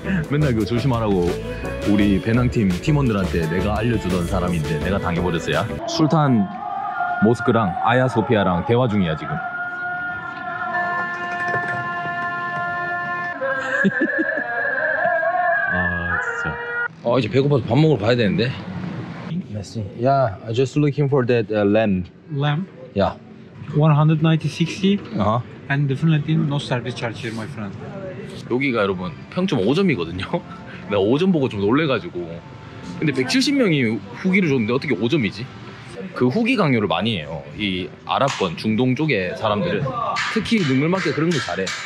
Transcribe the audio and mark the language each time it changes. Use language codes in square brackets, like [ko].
[ko] 맨날 그거 조심하라고 우리 배낭팀 팀원들한테 내가 알려주던 사람인데 내가 당해버렸어요. 술탄 모스크랑 아야소피아랑 대화 중이야 지금. 아 진짜. 어 이제 배고파서 밥 먹으러 가야 되는데. [fr] Merci. [en] Yeah, I just looking for that lamb. Lamb? Yeah. 196. Uh-huh. And definitely no service charge, my friend. [ko] 여기가 여러분 평점 5점이거든요. 내가 5점 보고 좀 놀래가지고. 근데 170명이 후기를 줬는데 어떻게 5점이지? 그 후기 강요를 많이 해요. 이 아랍권 중동 쪽의 사람들은 특히 능물맞게 그런 거 잘해.